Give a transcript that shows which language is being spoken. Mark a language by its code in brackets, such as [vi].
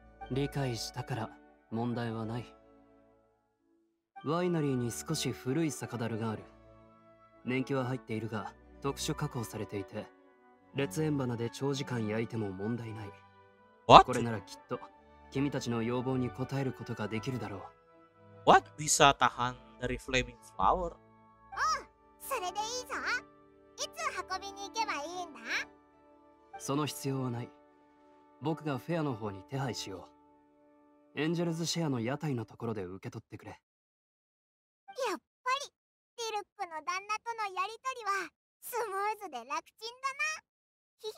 [ja] 理解したから問題はない。ワイナリーに少し古い酒樽がある。年季は入っているが特殊加工されていて、烈焔花で長時間焼いても問題ない。 [en] What? [ja] これならきっと君たちの要望に応えることができるだろう。 [en] What? [id] Bisa tahan dari flaming flower? [ja] おう、それでいいぞ。いつ運びに行けばいいんだ？その必要はない。僕がフェアの方に手配しよう。エンジェルズシェアの屋台のところで受け取ってくれ。やっぱりディルックの旦那とのやりとりはスムーズで楽ちんだな。ヒヒ。